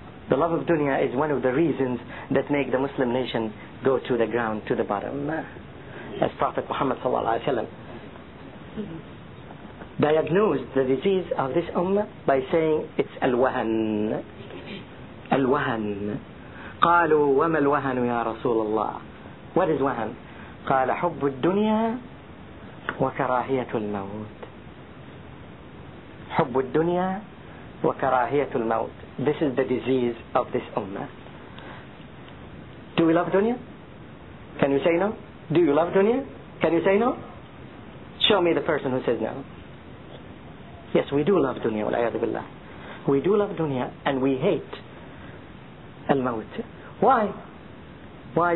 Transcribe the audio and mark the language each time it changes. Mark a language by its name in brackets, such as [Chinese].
[English] The love of dunya is one of the reasons that make the Muslim nation go to the ground, to the bottom. As Prophet Muhammad sallallahu alaihi wasallam diagnosed the disease of this ummah by saying it's al-wahan. Al-wahan. [Arabic] قالوا وما الوهن يا رسول الله. [English] What is wahan? [Arabic] قال حب الدنيا وكراهية الموت. حب الدنيا وكراهية الموت. [English] This is the disease of this ummah. Do we love dunya? Can you say no? Do you love dunya? Can you say no? Show me the person who says no. Yes, we do love dunya, [Arabic] wal'ayadu billah. [English] We do love dunya and we hate al-maut. Why? Why?